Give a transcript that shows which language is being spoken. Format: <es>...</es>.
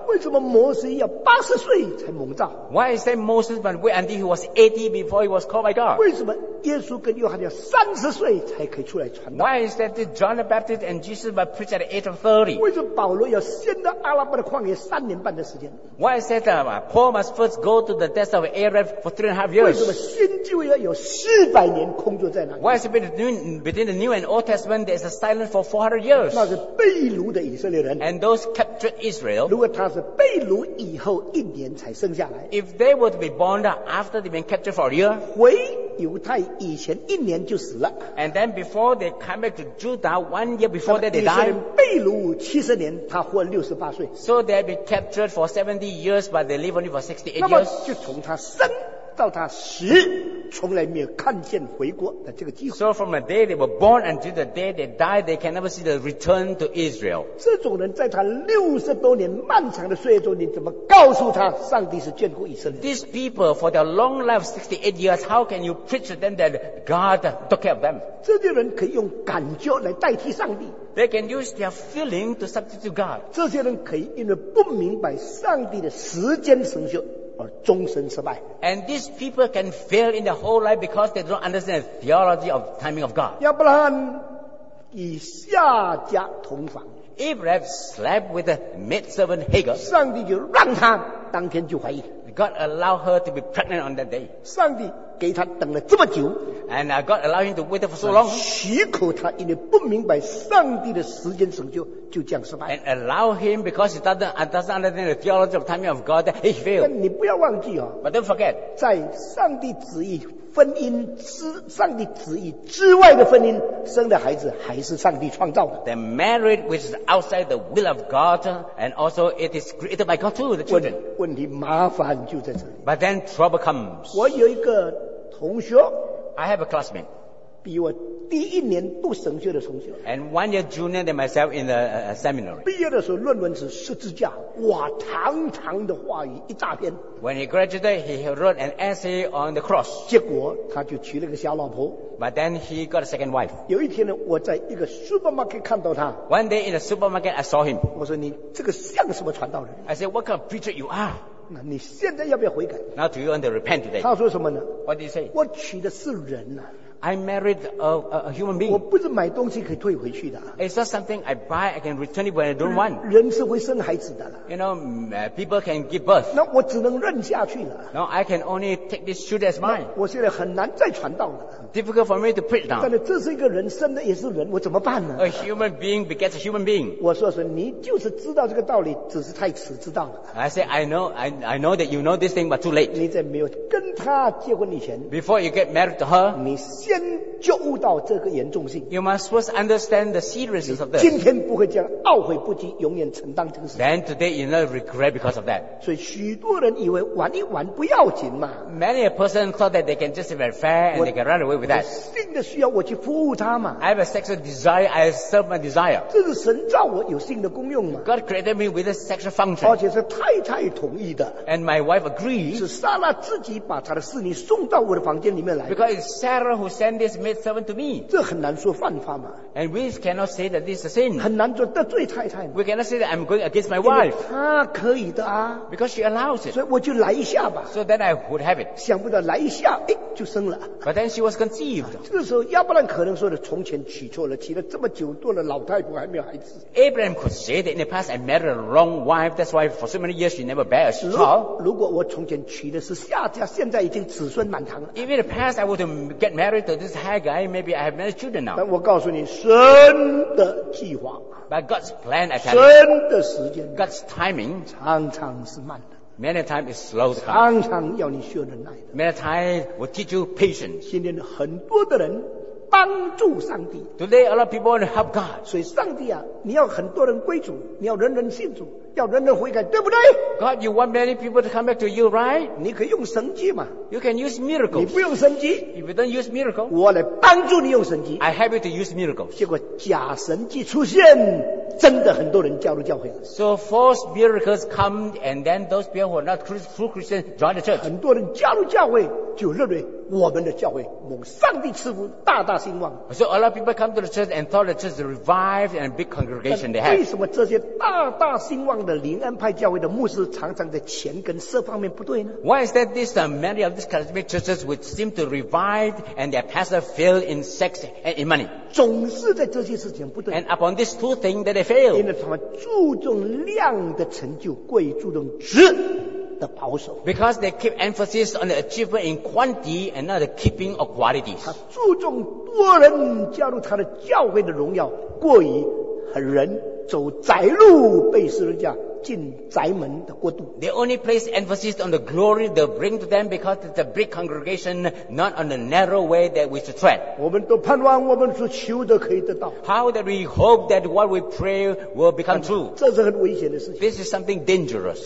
<zh>为什么摩西要80岁才蒙召？</zh> <en>Why is that Moses must wait until he was 80 before he was called by God?</en> <zh>为什么耶稣跟约翰要30岁才可以出来传道？</zh> <en>Why is that John the Baptist and Jesus must preach at the age of 30?</en> <zh>为什么保罗要先到阿拉伯的旷野三年半的时间？</zh> <en>Why is that Paul must first go to the desert of Arab for 3.5 years?</en> <zh>为什么新旧约有400年空座在那里？</zh> <en>Why is it between the New and Old Testament there is a silence for 400 years?</en> <zh>那是被掳的以色列人。</zh> <en>And those captured Israel.</en> <zh>如果他是被掳以后一年才生下来。</zh> <en>If they were to be born after they've been captured for a year,</en> <zh>回犹太以前一年就死了。</zh> <en>And then before they come back to Judah, 1 year before that they died.</en> <zh>以色列被掳70年，他活68岁。</zh> <en>So they've been captured for 70 years, but they live only for 68 years.</en> <zh>那么就从他生到他死，从来没有看见回国的这个机会。</zh> <en>So from the day they were born until the day they died, they can never see the return to Israel.</en> <zh>这种人在他60多年漫长的岁月中，你怎么告诉他上帝是眷顾以色列？</zh> <en>These people for their long life, 68 years, how can you preach to them that God took care of them?</en> <zh>这些人可以用感觉来代替上帝。</zh> <en>They can use their feeling to substitute God.</en> <zh>这些人可以因为不明白上帝的时间程序。而终身失败。</zh> <en>And these people can fail in their whole life because they don't understand the theology of the timing of God.</en> <zh>亚伯兰与夏甲同房。</zh> <en>Abraham slept with the maidservant Hagar.</en> <zh>上帝就让他当天就怀孕。</zh> <en>God allowed her to be pregnant on that day.</en> <zh>上帝给他等了这么久。</zh> <en>And God allowed him to wait for so long.</en> <zh>许可他因为不明白上帝的时间成就。就这样失败。</zh> <en>And allow him because he doesn't understand the theology of timing of God, that he failed.</en> <zh>你不要忘记哦。</zh> <en>But don't forget,</en> <zh>在上帝旨意婚姻之上帝旨意之外的婚姻生的孩子还是上帝创造的。</zh> <en>The marriage which is outside the will of God and also it is created by God too, the children.</en> <zh>问题麻烦就在这里。</zh> <en>But then trouble comes.</en> <zh>我有一个同学。</zh> <en>I have a classmate.</en> <zh>比我第一年读神学的同学。</zh> <en>And 1 year junior than myself in the seminary.</en> <zh>毕业的时候论文是十字架，哇，堂堂的话语一大篇。</zh> <en>When he graduated, he wrote an essay on the cross.</en> <zh>结果他就娶了个小老婆。</zh> <en>But then he got a second wife.</en> <zh>有一天呢，我在一个 supermarket 看到他。</zh> <en>One day in a supermarket, I saw him.</en> <zh>我说你这个像什么传道人</zh> <en>？I said, what kind of preacher you are?</en> <zh>那你现在要不要悔改</zh> <en>？Now do you want to repent today?</en> <zh>他说什么呢</zh> <en>？What did he say?</en> <zh>我娶的是人呐、啊。</zh> <en>I married a human being.</en> <zh>我不是买东西可以退回去的。</zh> <en>It's not something I buy, I can return it when I don't want.</en> <zh>人是会生孩子的了。</zh> <en>You know, people can give birth.</en> <zh>那我只能认下去了。</zh> <en>No, I can only take this shoot as mine.</en> <zh>我现在很难再传道了。</zh> <en>Difficult for me to preach now.</en> <zh>但是这是一个人生的也是人，我怎么办呢</zh> <en>？A human being begets a human being.</en> <zh>我说是，你就是知道这个道理，只是太迟知道了。</zh> <en>I say I know that you know this thing, but too late.</en> <zh>你在没有跟他结婚以前</zh> <en>，Before you get married to her,</en> <zh>你先。先觉悟到这个严重性。</zh> <en>You must first understand the seriousness of this.</en> <zh>今天不会这样，懊悔不及，永远承担这个事。</zh> <en>Then today you not regret because of that.</en> <zh>所以许多人以为玩一玩不要紧嘛。</zh> <en>Many a person thought that they can just be very fair and they can run away with that.</en> <zh>我性的需要，我去服务他嘛。</zh> <en>I have a sexual desire, I serve my desire.</en> <zh>这是神造我有性的功用嘛。</zh> <en>God created me with a sexual function.</en> <zh>而且是太太同意的。</zh> <en>And my wife agrees.</en> <zh>是莎拉自己把她的侍女送到我的房间里面来。</zh> <en>Because it's Sarah who sent this maid servant to me.</en> <zh>这很难说犯法嘛。</zh> <en>And we cannot say that this is a sin.</en> <zh>很难做得罪太太嘛。</zh> <en>We cannot say that I'm going against my wife.</en> <zh>她可以的啊。</zh> <en>Because she allows it.</en> <zh>所以我就来一下吧。</zh> <en>So then I would have it.</en> <zh>想不到来一下，哎，就生了。</zh> <en>But then she was conceived.</en> <zh>这个时候亚伯兰可能说的从前娶错了，娶了这么久多了老太婆还没有孩子。</zh> <en>Abraham could say that in the past I married a wrong wife. That's why for so many years she never bears child.</en> <zh>如果我从前娶的是夏家，现在已经子孙满堂了。</zh> <en>If in the past I would get married to this high guy, maybe I have many children now.</en> <zh>但我告诉你，神的计划。</zh> <en>By God's plan, I tell you.</en> <zh>神的时间。</zh> <en>God's timing.</en> <zh>常常是慢的。</zh> <en>Many times it's slow to come.</en> <zh>常常要你学忍耐的。</zh> <en>Many times will teach you patience.</en> <zh>今天很多的人帮助上帝。</zh> <en>Today a lot of people want to help God.</en> <zh>所以上帝啊，你要很多人归主，你要人人信主。要人人悔改，对不对？</zh> <en>God, you want many people to come back to you, right?</en> <zh>你可以用神迹嘛？</zh> <en>You can use miracles.</en> <zh>你不用神迹，</zh> <en>If you don't use miracles,</en> <zh>我来帮助你用神迹。</zh> <en>I help you to use miracles.</en> <zh>结果假神迹出现，真的很多人加入教会了。</zh> <en>So false miracles come, and then those people who are not true Christians join the church.</en> <zh>很多人加入教会，就认为我们的教会蒙上帝赐福，大大兴旺。</zh> <en>So a lot of people come to the church and thought the church is revived and a big congregation they have.</en> <zh>为什么这些大大兴旺的灵恩派教会的牧师常常在钱跟色方面不对呢？</zh> <en>Why is that this many of these charismatic churches which seem to revive and their pastor fail in sex and in money?</en> <zh>总是在这些事情不对。</zh> <en>And upon these two things that they fail.</en> <zh>因为他们注重量的成就，贵注重质。</zh> <en>Because they keep emphasis on the achievement in quantity and not the keeping of qualities.</en> <zh>他注重多人加入他的教会的荣耀，过于人走窄路被十字架进窄门的过渡。</zh> <en>They only place emphasis on the glory they bring to them because it's a big congregation, not on the narrow way that we should tread.</en> <zh>我们都盼望我们所求的可以得到。</zh> <en>How that we hope that what we pray will become true.</en> <zh>这是很危险的事情。</zh> <en>This is something dangerous.</en>